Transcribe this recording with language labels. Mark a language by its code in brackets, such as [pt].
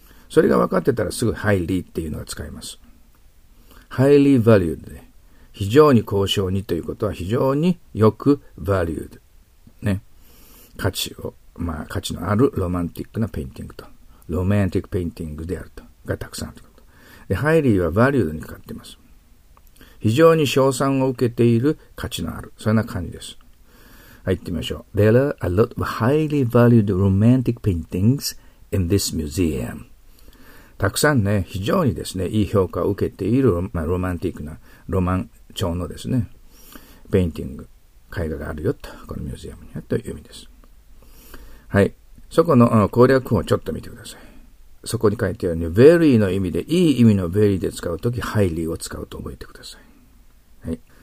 [ja] それが分かってたらすぐハイリーっていうのが使えます。ハイリーバリューで、非常に高尚にということは、非常によくバリューで。ね。価値を、まあ、価値のあるロマンティックなペインティングと。ロマンティックペインティングであると。がたくさんあること。で、ハイリーはバリュードにかかっています。非常に賞賛を受けている価値のある。そんな感じです。はい、行ってみましょう。 [en] There are a lot of highly valued romantic paintings in this museum. [ja] たくさんね、非常にですね、いい評価を受けている、まあ、ロマンティックな、ロマン調のですね、ペインティング。絵画があるよと、このミュージアムにはという意味です。はい。そこの攻略本をちょっと見てください。そこに書いてあるように、very の意味で、いい意味の very で使うとき、highly を使うと覚えてください。はい。